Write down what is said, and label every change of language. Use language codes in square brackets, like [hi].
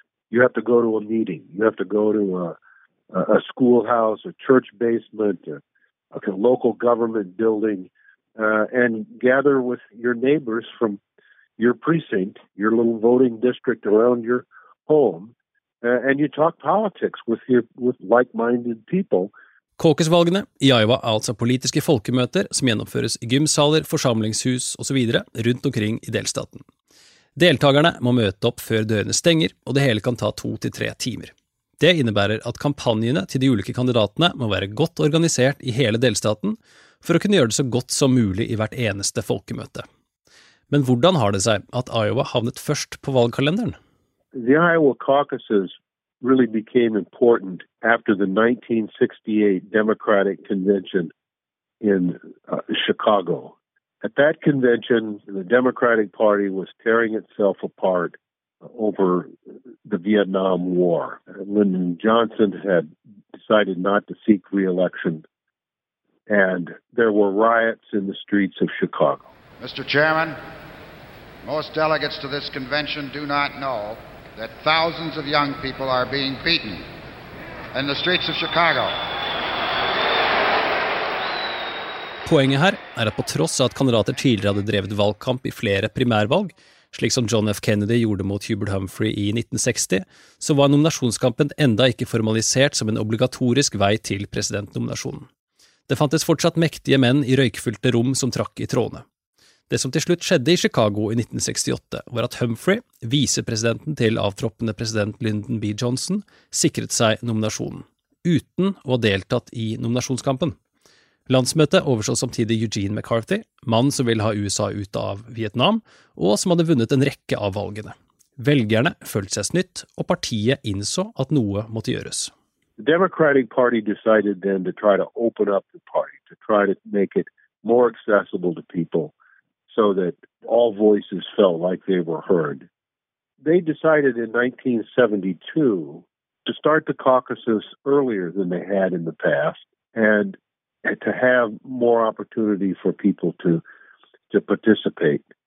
[en] You have to go to a meeting. You have to go to a schoolhouse, a church basement, a local government building, and gather with your neighbors from your precinct, your little voting district around your home, and you talk politics with like-minded people. [no] Caucusvalgene I Iowa altså politiske folkemøter som gjennomføres I gymsaler, forsamlingshus og så videre rundt omkring I delstaten. Deltakerne må møte opp før dørene stenger, og det hele kan ta 2-3 timer. Det innebærer at kampanjene til de ulike kandidatene må være godt organisert I hele delstaten for å kunne gjøre det så godt som mulig I hvert eneste folkemøte. Men hvordan har det seg at Iowa havnet først på valgkalenderen? [en] The Iowa caucuses really became important after the 1968 Democratic Convention in Chicago. At that convention, the Democratic Party was tearing itself apart over the Vietnam War. Lyndon Johnson had decided not to seek re-election, and there were riots in the streets of Chicago. Mr. Chairman, most delegates to this convention do not know that thousands of young people are being beaten in the streets of Chicago. [no] Poenget her at på tross av at kandidater tidligere hadde drevet valgkamp I flere primærvalg, slik som John F. Kennedy gjorde mot Hubert Humphrey I 1960, så var nominasjonskampen enda ikke formalisert som en obligatorisk vei til presidentnominasjonen. Det fantes fortsatt mektige menn I røykfylte rom som trakk I trådene. Det som til slutt skjedde I Chicago I 1968 var at Humphrey, vicepresidenten til avtroppende president Lyndon B. Johnson, sikret seg nominasjonen, uten å ha deltatt I nominasjonskampen. Landsmøtet overså samtidig Eugene McCarthy, mann som ville ha USA ut av Vietnam, og som hadde vunnet en rekke av valgene. Velgerne følte seg snytt, og partiet innså at noe måtte gjøres. [en] The Democratic Party decided then to try to open up the party, to try to make it more accessible to people so that all voices felt like they were heard. They decided in 1972 to start the caucuses earlier than they had in the past and to have more opportunity for people to participate.